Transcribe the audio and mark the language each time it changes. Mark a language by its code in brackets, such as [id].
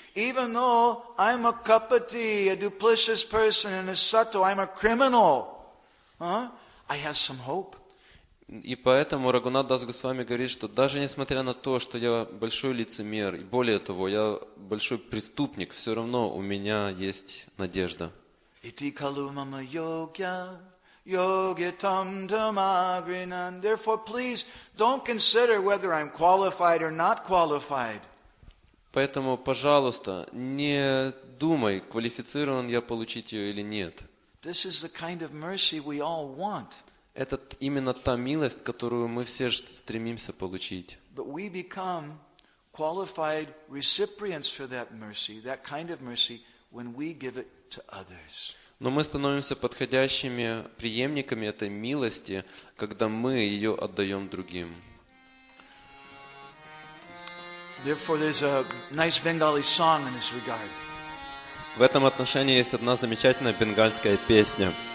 [en] Even though I'm a kapati, a duplicitous person and a sato, I'm a criminal. I have some hope. [ru] И поэтому Рагунат Дас Госвами говорит, что даже несмотря на то, что я большой лицемер, и более того, я большой преступник, все равно у меня есть надежда. [sa] Iti kalu mama yogya, yogyatam tamagrinan. [en] Therefore, please, don't consider whether I'm qualified or not qualified. [ru] Поэтому, пожалуйста, не думай, квалифицирован я получить ее или нет. [en] This is the kind of mercy we all want. [ru] Это именно та милость, которую мы все стремимся получить. [en] But we become qualified recipients for that mercy, that kind of mercy, when we give it to others. [ru] Но мы становимся подходящими преемниками этой милости, когда мы ее отдаем другим. [en] Therefore, there's a nice Bengali song in this regard. [ru] В этом отношении есть одна замечательная бенгальская песня.